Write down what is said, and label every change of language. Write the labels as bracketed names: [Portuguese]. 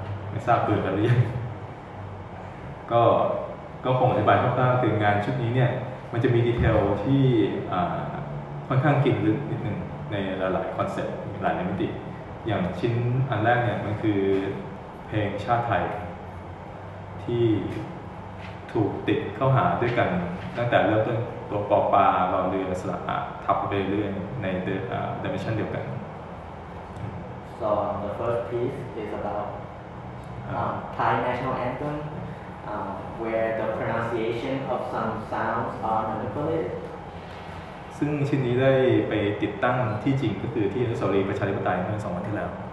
[Thai] ไม่ทราบเปิดกันหรือยังก็คงอธิบายคร่าวๆถึงงานชุดนี้เนี่ยมันจะมีดีเทลที่ค่อนข้างกินลึกนิดหนึ่งในหลายๆคอนเซ็ปต์หลายในมิติอย่างชิ้นอันแรกเนี่ยมันคือเพลงชาติไทยที่ถูกติดเข้าหาด้วยกันตั้งแต่เริ่มต้นตัวปอปลาเรือและสระทับไปเรื่อยในเดเมนชันเดียวกัน [English] so the first piece is about Thai national anthem where the pronunciation of some sounds are manipulated [Thai] ซึ่งชิ้นนี้ได้ไปติดตั้งที่จริงก็คือที่อนุสาวรีย์ประชาธิปไตยเมื่อ2วันที่แล้ว